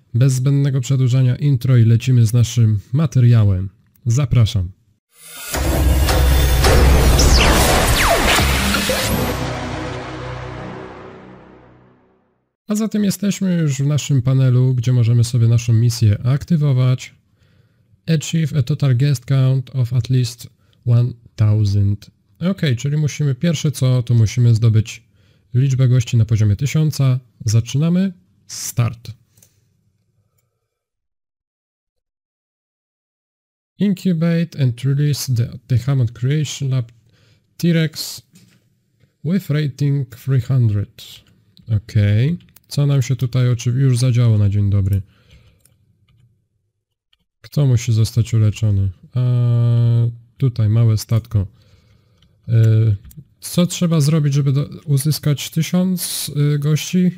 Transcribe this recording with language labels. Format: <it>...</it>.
<pl>Bez zbędnego przedłużania intro i lecimy z naszym materiałem. Zapraszam. A zatem jesteśmy już w naszym panelu, gdzie możemy sobie naszą misję aktywować.</pl> <en>Achieve a total guest count of at least 1000.</en> <pl>Ok, czyli musimy pierwsze co, to musimy zdobyć liczbę gości na poziomie 1000. Zaczynamy. Start.</pl> <en>Incubate and release the Hammond Creation Lab T-Rex with rating 300.</en> <pl>Ok. Co nam się tutaj oczywiście już zadziało na dzień dobry? Kto musi zostać uleczony? Tutaj małe statko. Co trzeba zrobić, żeby uzyskać 1000 gości?</pl>